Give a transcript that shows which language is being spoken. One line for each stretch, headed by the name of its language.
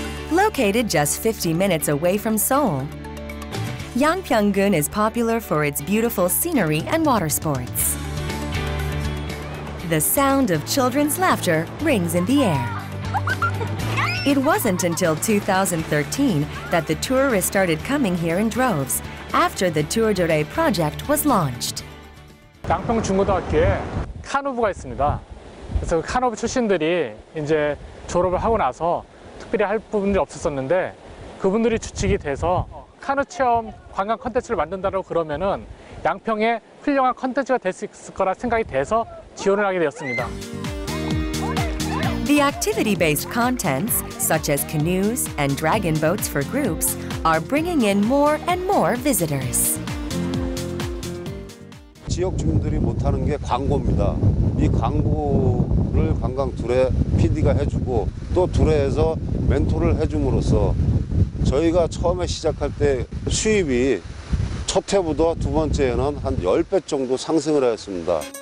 English: Located just 50 minutes away from Seoul, Yangpyeonggun is popular for its beautiful scenery and water sports. The sound of children's laughter rings in the air. It wasn't until 2013 that the tourists started coming here in droves, after the Tour Dure project was launched.
Korean: 양평 중고등학교에 카누부가 있습니다. 그래서 그 카누부 출신들이 이제 졸업을 하고 나서 특별히 할 부분이 없었었는데 그분들이 주축이 돼서 카누 체험 관광 컨텐츠를 만든다고 그러면은 양평에 훌륭한 컨텐츠가 될 수 있을 거라 생각이 돼서 지원을 하게 되었습니다.
English: The activity-based contents, such as canoes and dragon boats for groups, are bringing in more and more visitors.
Korean: 지역 주민들이 못하는 게 광고입니다. 이 광고를 관광 둘의 PD가 해주고 또 둘에서 멘토를 해줌으로써 저희가 처음에 시작할 때 수입이 첫 해부터 두 번째에는 한 10배 정도 상승을 했습니다.